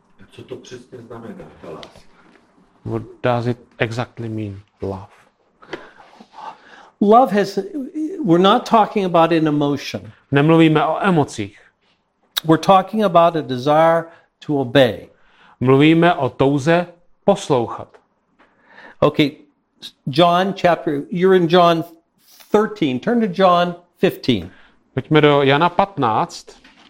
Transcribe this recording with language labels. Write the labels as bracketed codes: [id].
[cs] Co to přesně znamená, ta láska? [en] What does it exactly mean, love? Love has, we're not talking about an emotion. [cs] Nemluvíme o emocích. [en] We're talking about a desire to obey. [cs] Mluvíme o touze poslouchat. [en] Okay, John chapter, you're in John 13. Turn to John 15. [cs] Pojďme do Jana 15.